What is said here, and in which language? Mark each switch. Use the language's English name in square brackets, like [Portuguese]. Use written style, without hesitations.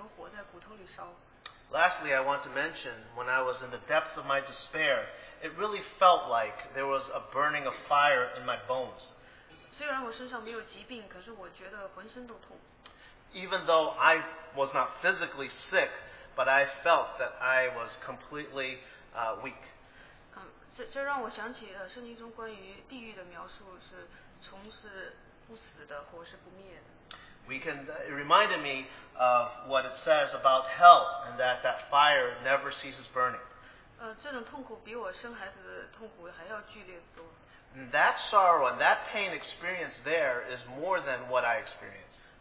[Chinese] 最后我要提一下，就是我在绝望、痛苦，在伤心的时候，我觉得那个感觉真的是让我想起，觉得感觉那个感觉好像有火在骨头里烧。 [English] Lastly, I want to mention, when I was in the depths of my despair, it really felt like there was a burning of fire in my bones. [Chinese] 虽然我身上没有疾病，可是我觉得浑身都痛。 [English] Even though I was not physically sick, but I felt that I was completely weak. [Chinese] 这让我想起圣经中关于地狱的描述，是虫是不死的，火是不灭的。 [English] We can it reminded me of what it says about hell and that fire never ceases burning. [Chinese] 这种痛苦比我生孩子的痛苦还要剧烈多。 [English] And that sorrow and that pain experienced there is more than what I experienced.